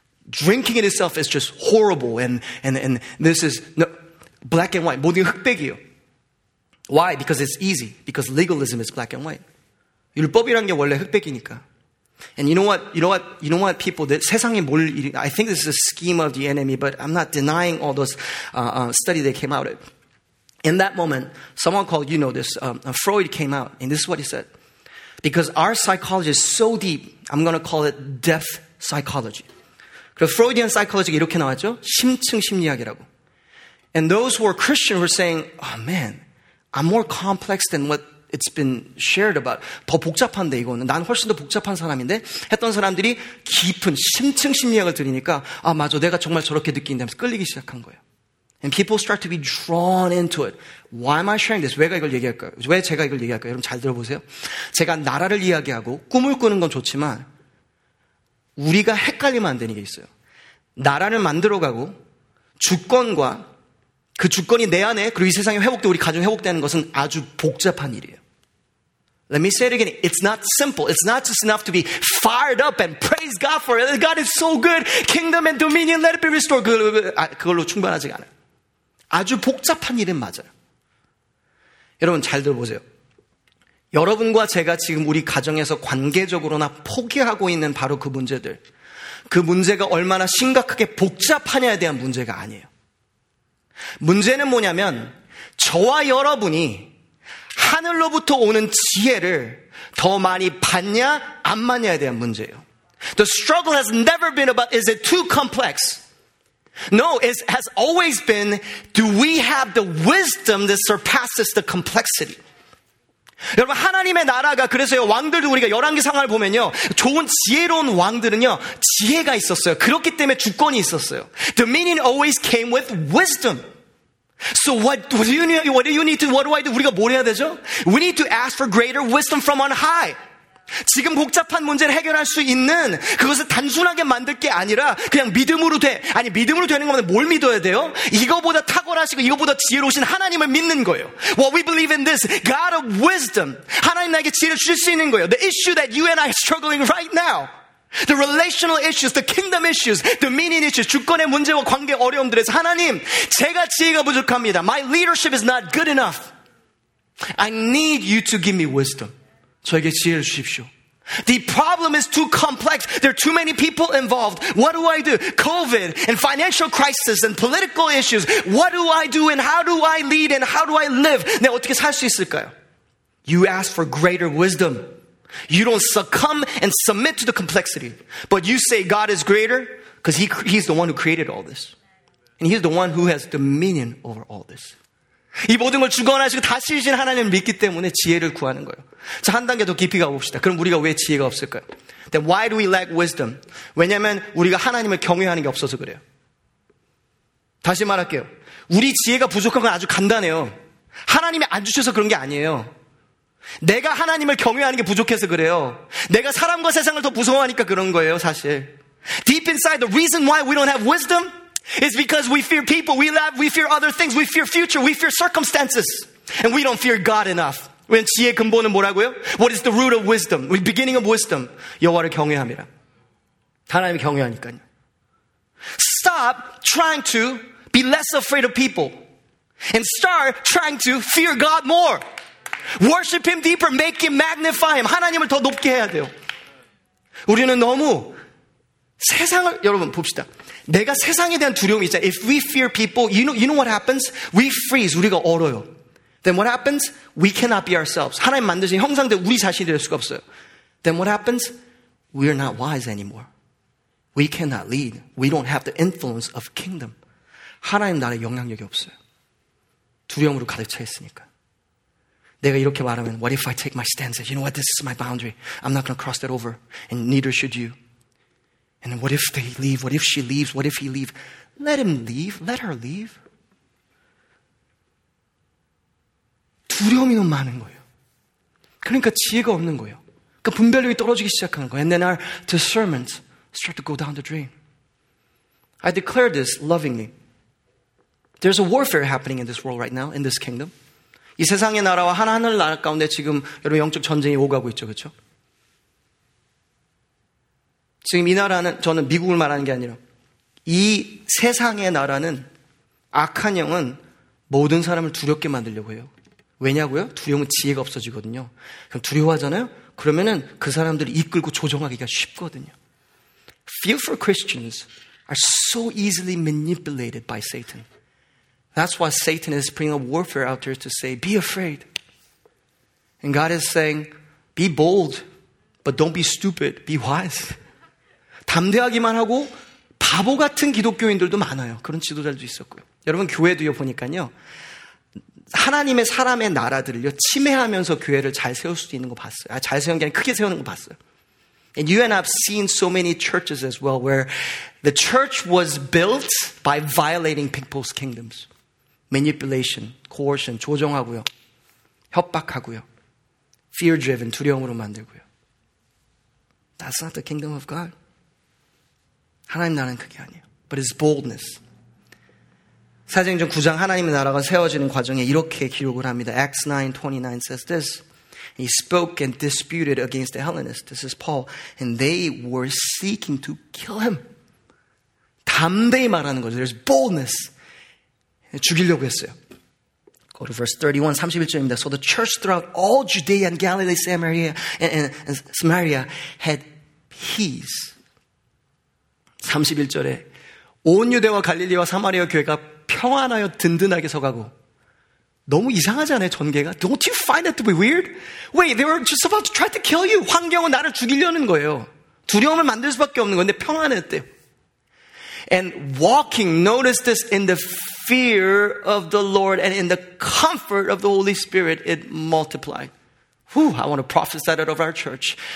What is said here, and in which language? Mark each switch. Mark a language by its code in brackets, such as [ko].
[en] Drinking in itself is just horrible and this is no, black and white. [ko] 모든 게 흑백이에요. [en] Why? Because it's easy. Because legalism is black and white. [ko] 율법이란 게 원래 흑백이니까. [en] And you know what? You know what? You know what? People, [ko] 세상에 뭘, [en] I think this is a scheme of the enemy, but I'm not denying all those study that came out. In that moment, someone called, you know this, Freud came out, and this is what he said. Because our psychology is so deep, I'm going to call it death psychology. [ko] 그래서 Freudian psychology 이렇게 나왔죠? 심층 심리학이라고. [en] And those who are Christian were saying, oh man, I'm more complex than what it's been shared about. [ko] 더 복잡한데 이거는. 난 훨씬 더 복잡한 사람인데 했던 사람들이 깊은 심층 심리학을 들으니까 아 맞아 내가 정말 저렇게 느낀다면서 끌리기 시작한 거예요. [en] And people start to be drawn into it. Why am I sharing this? [ko] 왜가 이걸 얘기할까요? 왜 제가 이걸 얘기할까요? 여러분 잘 들어보세요. 제가 나라를 이야기하고 꿈을 꾸는 건 좋지만 우리가 헷갈리면 안 되는 게 있어요. 나라를 만들어가고 주권과 그 주권이 내 안에 그리고 이 세상이 회복돼 우리 가정이 회복되는 것은 아주 복잡한 일이에요. [en] Let me say it again. It's not simple. It's not just enough to be fired up and praise God for it. God is so good. Kingdom and dominion, let it be restored. [ko] 그걸로 충분하지 않아요. 아주 복잡한 일은 맞아요. 여러분 잘 들어보세요. 여러분과 제가 지금 우리 가정에서 관계적으로나 포기하고 있는 바로 그 문제들. 그 문제가 얼마나 심각하게 복잡하냐에 대한 문제가 아니에요. 문제는 뭐냐면 저와 여러분이 하늘로부터 오는 지혜를 더 많이 받냐 안 받냐에 대한 문제예요. [en] The struggle has never been about is it too complex? No, it has always been do we have the wisdom that surpasses the complexity? [ko] 여러분 하나님의 나라가 그래서요 왕들도 우리가 열왕기상을 보면요 좋은 지혜로운 왕들은요 지혜가 있었어요. 그렇기 때문에 주권이 있었어요. [en] Dominion always came with wisdom. So what do I do? [ko] 우리가 뭘 해야 되죠? [en] We need to ask for greater wisdom from on high. [ko] 지금 복잡한 문제를 해결할 수 있는 그것을 단순하게 만들 게 아니라 그냥 믿음으로 돼. 아니 믿음으로 되는 거면 뭘 믿어야 돼요? 이거보다 탁월하시고 이거보다 지혜로우신 하나님을 믿는 거예요. [en] What we believe in this, God of wisdom. [ko] 하나님 나에게 지혜를 주실 수 있는 거예요. [en] The issue that you and I are struggling right now. The relational issues, the kingdom issues, the meaning issues, [ko] 주권의 문제와 관계 어려움들에서 하나님, 제가 지혜가 부족합니다. [en] My leadership is not good enough. I need you to give me wisdom. [ko] 저에게 지혜를 주십시오. [en] The problem is too complex. There are too many people involved. What do I do? COVID and financial crisis and political issues. What do I do and how do I lead and how do I live? [ko] 내가 어떻게 살 수 있을까요? [en] You ask for greater wisdom. You don't succumb and submit to the complexity. But you say God is greater because he's the one who created all this. And he's the one who has dominion over all this. [ko] 이 모든 걸 주관하시고 다시 주신 하나님을 믿기 때문에 지혜를 구하는 거예요. 자, 한 단계 더 깊이 가봅시다. 그럼 우리가 왜 지혜가 없을까요? [en] Then why do we lack wisdom? [ko] 왜냐하면 우리가 하나님을 경외하는 게 없어서 그래요. 다시 말할게요. 우리 지혜가 부족한 건 아주 간단해요. 하나님이 안 주셔서 그런 게 아니에요. 내가 하나님을 경외하는 게 부족해서 그래요. 내가 사람과 세상을 더 무서워하니까 그런 거예요, 사실. [en] Deep inside, the reason why we don't have wisdom is because we fear people, we fear other things, we fear future, we fear circumstances. And we don't fear God enough. [ko] 왜냐면 지혜의 근본은 뭐라고요? [en] What is the root of wisdom? The beginning of wisdom. [ko] 여호와를 경외함이라. 하나님을 경외하니까요. [en] Stop trying to be less afraid of people and start trying to fear God more. Worship him deeper, make him magnify him. [ko] 하나님을 더 높게 해야 돼요. 우리는 너무 세상을 여러분 봅시다. 내가 세상에 대한 두려움이 있어요. [en] If we fear people, you know what happens? We freeze. [ko] 우리가 얼어요. [en] Then what happens? We cannot be ourselves. [ko] 하나님 만드신 형상대로 우리 자신이 될 수가 없어요. [en] Then what happens? We are not wise anymore. We cannot lead. We don't have the influence of kingdom. [ko] 하나님 나라에 영향력이 없어요. 두려움으로 가득 차 있으니까. 내가 이렇게 말하면, [en] what if I take my stance? You know what? This is my boundary. I'm not going to cross that over. And neither should you. And what if they leave? What if she leaves? What if he leaves? Let him leave. Let her leave. [ko] 두려움이 너무 많은 거예요. 그러니까 지혜가 없는 거예요. 그러니까 분별력이 떨어지기 시작하는 거예요. [en] And then our discernment starts to go down the drain. I declare this lovingly. There's a warfare happening in this world right now, in this kingdom. [ko] 이 세상의 나라와 하나님의 나라 가운데 지금 여러분 영적 전쟁이 오가고 있죠, 그렇죠? 지금 이 나라는, 저는 미국을 말하는 게 아니라 이 세상의 나라는 악한 영은 모든 사람을 두렵게 만들려고 해요. 왜냐고요? 두려움은 지혜가 없어지거든요. 그럼 두려워하잖아요? 그러면은 그 사람들을 이끌고 조종하기가 쉽거든요. [en] Fearful Christians are so easily manipulated by Satan. That's why Satan is bringing up warfare out there to say, be afraid. And God is saying, be bold, but don't be stupid, be wise. [ko] 담대하기만 하고 바보 같은 기독교인들도 많아요. 그런 지도자들도 있었고요. 여러분 교회도요 보니까요. 하나님의 사람의 나라들을요 침해하면서 교회를 잘 세울 수도 있는 거 봤어요. 아, 잘 세운 게 아니라 크게 세우는 거 봤어요. [en] And you and I have seen so many churches as well where the church was built by violating people's kingdoms. Manipulation, coercion, [ko] 조정하고요. 협박하고요. [en] Fear-driven, [ko] 두려움으로 만들고요. [en] That's not the kingdom of God. [ko] 하나님 나라는 그게 아니에요. [en] But it's boldness. [ko] 사도행전 9장 하나님의 나라가 세워지는 과정에 이렇게 기록을 합니다. [en] Acts 9:29 says this. He spoke and disputed against the Hellenists. This is Paul. And they were seeking to kill him. [ko] 담대히 말하는 거죠. [en] There's boldness. [ko] 죽이려고 했어요. [en] Go to verse 31, [ko] 31절입니다. [en] So the church throughout all Judea and Galilee, Samaria, and Samaria had peace. [ko] 31절에 온 유대와 갈릴리와 사마리아 교회가 평안하여 든든하게 서가고 너무 이상하잖아요, 전개가. [en] Don't you find that to be weird? Wait, they were just about to try to kill you. [ko] 환경은 나를 죽이려는 거예요. 두려움을 만들 수밖에 없는 건데 평안했대요. [en] And walking, notice this, in the fear of the Lord and in the comfort of the Holy Spirit, it multiplied. Whew, I want to prophesy that over our church.